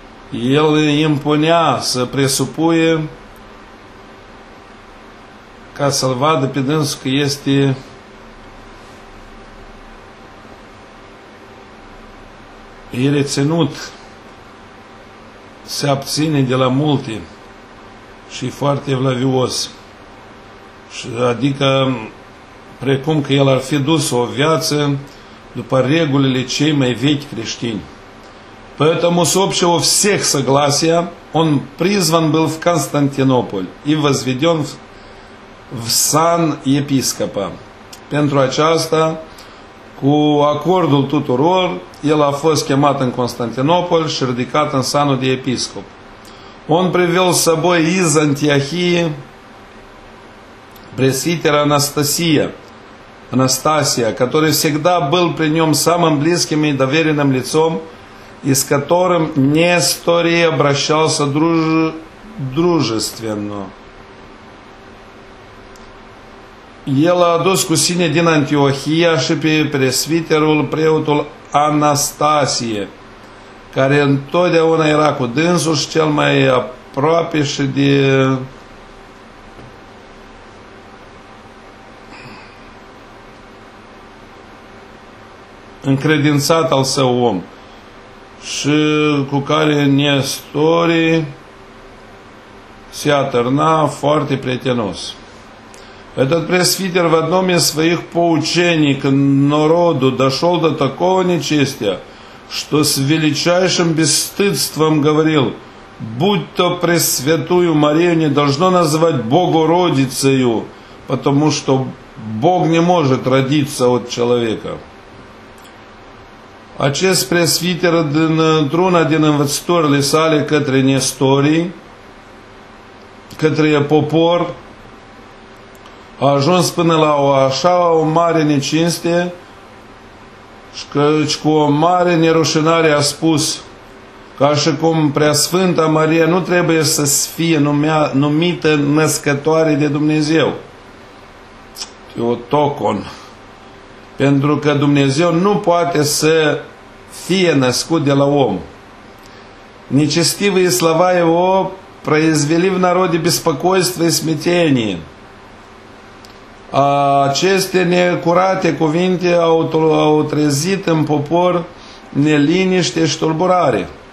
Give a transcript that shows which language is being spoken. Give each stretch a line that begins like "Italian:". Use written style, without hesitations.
Romanian: El impunea să presupuie ca să-l vadă pe dânsul că este e reținut, se abține de la multe și e foarte evlavios. Și adică, precum că el ar fi dus o viață după regulile cei mai vechi creștini.
Russian: Поэтому с общего всех согласия он призван был в Константинополь и возведен в сан епископа.
Romanian: Pentru aceasta, cu acordul tuturor, el a fost chemat în Constantinopol și ridicat în sanul de episcop.
Russian: Он привел с собой из Антиохии пресвитера Анастасия, который всегда был при нем самым близким и доверенным лицом, и с которым Несторий обращался дружественно.
Romanian: El a adus cu sine din Antiohia și pe presviterul preotul Anastasie, care întotdeauna era cu dânsul și cel mai aproape și de încredințat al său om și cu care Nestorii se atârna foarte prietenos.
Russian: Этот пресвитер в одном из своих поучений к народу дошел до такого нечестия, что с величайшим бесстыдством говорил, будь то Пресвятую Марию не должно назвать Богородицею, потому что Бог не может родиться от человека.
Romanian: Acest presbiter, într-una din învățăturile sale către nestorii, către popor, a ajuns până la o așa o mare necinste și cu o mare nerușinare a spus, ca și cum Preasfânta Maria nu trebuie să fie numită născătoare de Dumnezeu. Teotocon. Pentru că Dumnezeu nu poate să fie născut de la om.
Russian: Нечестивые слова его произвели в народе беспокойство и смятение.
Romanian: Aceste necurate cuvinte au trezit în popor neliniște și tulburare.